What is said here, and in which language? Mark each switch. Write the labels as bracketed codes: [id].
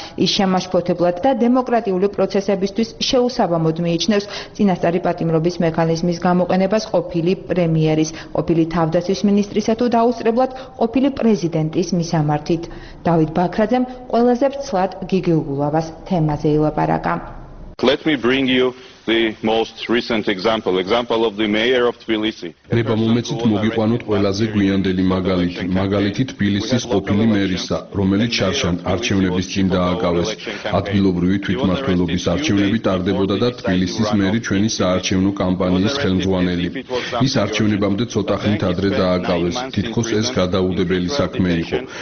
[ka] ის შემაშფოთებლად და დემოკრატიული პროცესებისთვის შეუსაბამოდ მიიჩნევს წინასწარი პატიმრობის მექანიზმის გამოყენებას ყოფილი პრემიერის, ყოფილი თავდაცვის მინისტრისა თუ დაუსწრებლად ყოფილი პრეზიდენტის მისამართით. დავით ბაქრაძემ ყველაზე ცვლად გიგი უგულავას თემაზე ილაპარაკა. [en] Let me bring you the most recent example of the mayor of Tbilisi. [ka] Ნება მომეცით მოგიყვანოთ ყველაზე გვიანდელი მაგალითი, მაგალითი თბილისის ყოფილი მერისა, რომელიც ჩარშან არჩევნების წინ დააკავეს. ადგილობრივი თვითმმართველობის არჩევნები ტარდებოდა და თბილისის მერი ჩვენი საარჩევნო კამპანიის ხელმძღვანელი. ის არჩევნებამდე ცოტა ხნით ადრე დააკავეს, თითქოს ეს გადაუდებელი საქმე იყო.